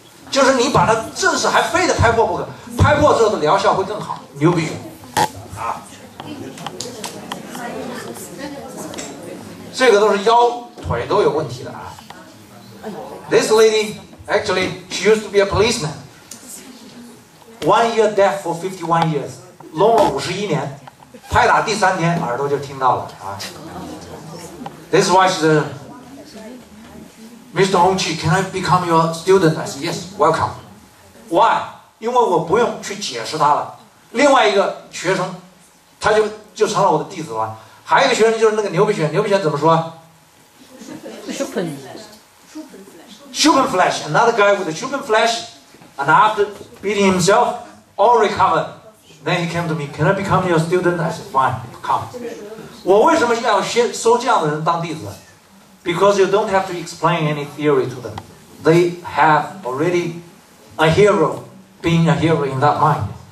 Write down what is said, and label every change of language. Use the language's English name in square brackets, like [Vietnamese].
[Chinese] 就是你把它正视，还非得拍破不可。拍破之后的疗效会更好，牛逼啊！这个都是腰腿都有问题的啊。 [English] This lady actually she used to be a policeman. One year deaf for 51 years, [Chinese] 聋了51年，拍打第三天耳朵就听到了啊。 [English] This is why she's a,Mr. Hong Chi, can I become your student? I said, yes, welcome. Why? [Chinese] 因为我不用去解释他了。另外一个学生，他就成了我的弟子了。还有一个学生就是那个牛皮癣，牛皮癣怎么说 [German] ？Schuppenflash. [English] Another guy with a Schuppenflash, and after beating himself, all recovered. Then he came to me, can I become your student? I said, fine, come. [Chinese] 我为什么要先收这样的人当弟子？ [English] Because you don't have to explain any theory to them. They have already a hero, being a hero in that mind.